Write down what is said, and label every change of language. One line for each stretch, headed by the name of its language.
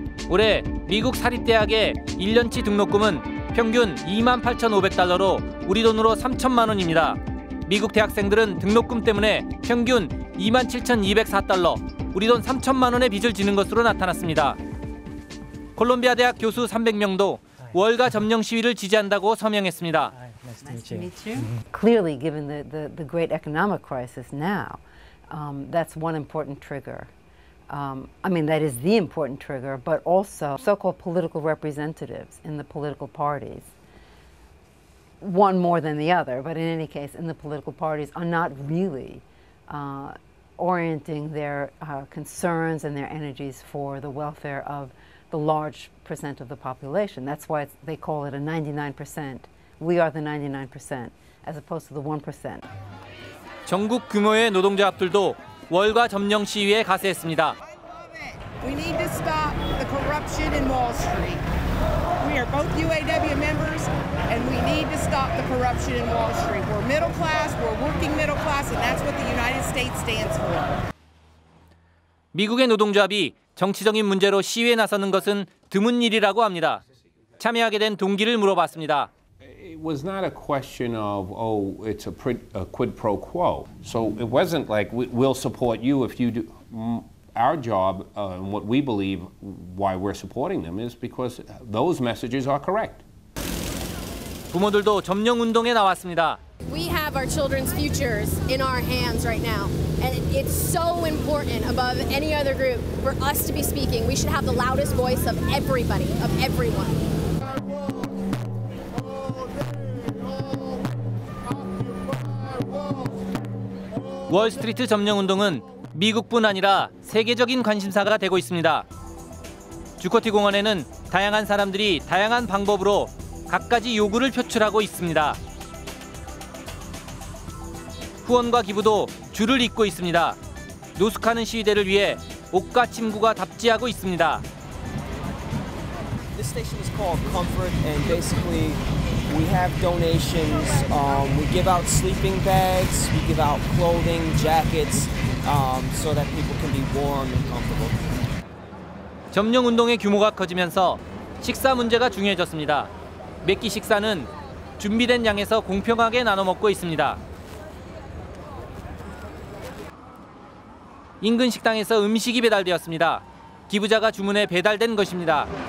Korean: 올해 미국 사립 대학의 1년치 등록금은 평균 $28,500로 우리 돈으로 $30,000입니다. 미국 대학생들은 등록금 때문에 평균 $27,204, 우리 돈 $30,000의 빚을 지는 것으로 나타났습니다. 콜롬비아 대학 교수 300명도 월가 점령 시위를 지지한다고 서명했습니다.
English: Nice to meet you. Clearly, given the great economic crisis now, that's one important trigger. I mean, that is the important trigger, but also so-called political representatives in the political parties, one more than the other, but in any case, in the political parties, are not really orienting their concerns and their energies for the welfare of the large percent of the population. That's why they call it a 99%. We are the 99%, as opposed to the 1%.
Korean: 전국 규모의 노동자 앞들도 월가 점령 시위에 가세했습니다.
English: We need to stop the corruption in Wall Street. We are both UAW members, and we need to stop the corruption in Wall Street. We're middle class, we're working middle class, and that's what the United States stands for.
Korean: 미국의 노동조합이 정치적인 문제로 시위에 나서는 것은 드문 일이라고 합니다. 참여하게 된 동기를 물어봤습니다.
English: It was not a question of, oh, it's a quid pro quo. So it wasn't like, we'll support you if you do... Our job, and what we believe, why we're supporting them, is because those messages are correct.
Korean: 부모들도 점령 운동에 나왔습니다.
English: We have our children's futures in our hands right now, and it's so important above any other group for us to be speaking. We should have the loudest voice of everybody, of everyone.
Korean: 월스트리트 점령 운동은 미국뿐 아니라 세계적인 관심사가 되고 있습니다. 주커티 공원에는 다양한 사람들이 다양한 방법으로 각가지 요구를 표출하고 있습니다. 후원과 기부도 줄을 잇고 있습니다. 노숙하는 시위대를 위해 옷과 침구가 답지하고 있습니다.
English: This station is called Comfort, and basically we have donations. We give out sleeping bags, we give out clothing, jackets. So that people can be warm and comfortable.
Korean: 점령 운동의 규모가 커지면서 식사 문제가 중요해졌습니다. 매끼 식사는 준비된 양에서 공평하게 나눠 먹고 있습니다. 인근 식당에서 음식이 배달되었습니다. 기부자가 주문해 배달된 것입니다.